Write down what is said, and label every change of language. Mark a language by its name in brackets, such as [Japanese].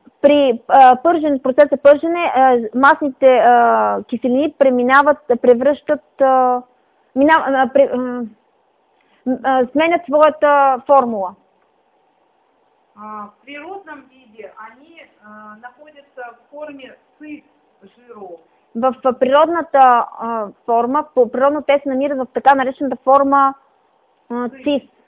[Bulgarian] При процеса пържене масните киселини сменят своята формула. [Russian] В природном виде они находятся в форме сыт жиров. [Bulgarian] В природната форма, природно те се намират в така наречената форма цис.